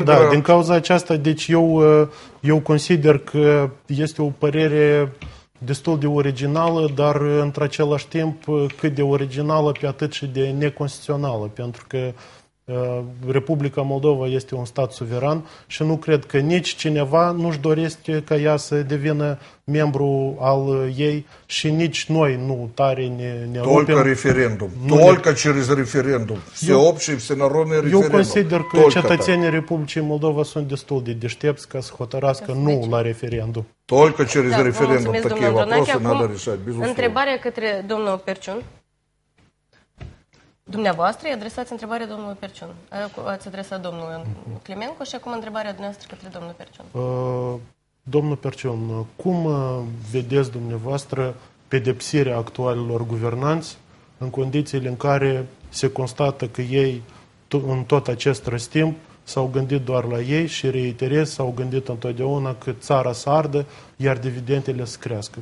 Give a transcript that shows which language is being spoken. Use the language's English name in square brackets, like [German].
[Romanian] Din cauza aceasta, deci eu consider că este o părere destul de originală, dar într-același timp cât de originală, pe atât și de neconstituțională, pentru că Republica Moldova este un stat suveran și nu cred că nici cineva nu-și dorește ca ea să devină membru al ei și nici noi nu tare ne rupem. [Russian] Только референдум. Только через референдум. Всеобщий, всенародный референдум. [Romanian] Eu consider că cetățenii Republicii Moldova sunt destul de deștepți ca să hotărască nu la referendum. [Russian] Только через референдум. Такие вопросы надо решать, безусловно. [Romanian] Întrebarea către domnul Perciun. Dumneavoastră, adresați întrebarea domnului Perciun. Ați adresat domnului Climencu și acum întrebarea dumneavoastră către domnul Perciun. Domnul Perciun, cum vedeți dumneavoastră pedepsirea actualilor guvernanți în condițiile în care se constată că ei în tot acest răstimp s-au gândit doar la ei și reiterez, s-au gândit întotdeauna că țara să ardă, iar dividendele să crească.